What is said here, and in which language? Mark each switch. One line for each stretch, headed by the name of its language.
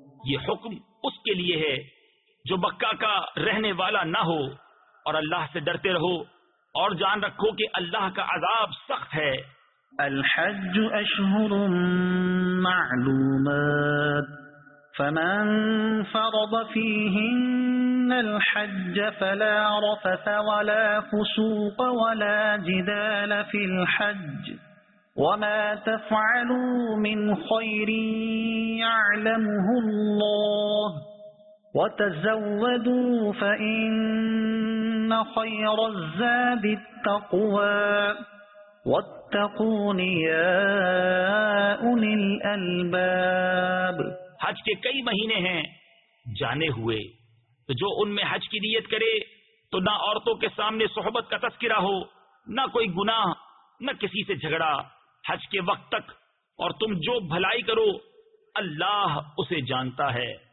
Urdu: یہ حکم اس کے لیے ہے جو مکہ کا رہنے والا نہ ہو، اور اللہ سے ڈرتے رہو اور جان رکھو کہ اللہ کا عذاب سخت ہے.
Arabic: الحج اشہر معلومات فمن فرض فیہن الحج فلا رفث ولا فسوق ولا جدال فی الحج وما تفعلوا من خير يعلمه الله وتزودوا فإن خير الزاد التقوى واتقون يا أولي الألباب.
Urdu: حج کے کئی مہینے ہیں جانے ہوئے، تو جو ان میں حج کی نیت کرے تو نہ عورتوں کے سامنے صحبت کا تذکرہ ہو، نہ کوئی گناہ، نہ کسی سے جھگڑا حج کے وقت تک، اور تم جو بھلائی کرو اللہ اسے جانتا ہے.